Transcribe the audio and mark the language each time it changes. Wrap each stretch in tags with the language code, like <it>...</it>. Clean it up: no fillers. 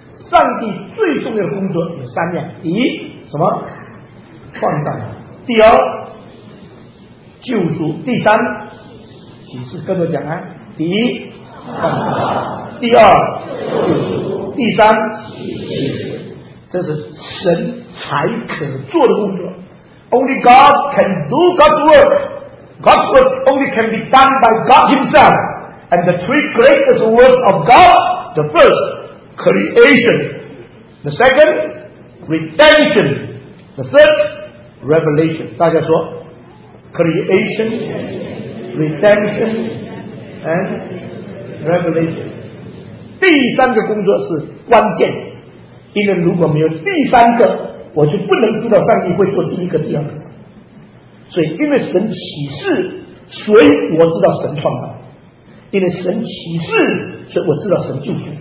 <zh>上帝最重要的工作有三样：第一，什么？创造；第二，救赎；第三，启示。跟着讲啊，第一，创造；第二，救赎；第三，启示。这是神才可做的工作。</zh> <en>Only God can do God's work. God's work only can be done by God Himself. And the three greatest works of God: the first. Creation, the second redemption, the third revelation.</en> <zh>大家说</zh> <en>creation, redemption, and revelation。</en> <zh>第三个工作是关键，因为如果没有第三个，我就不能知道上帝会做第一个、第二个。所以，因为神启示，所以我知道神创造；因为神启示，所以我知道神救赎。</zh>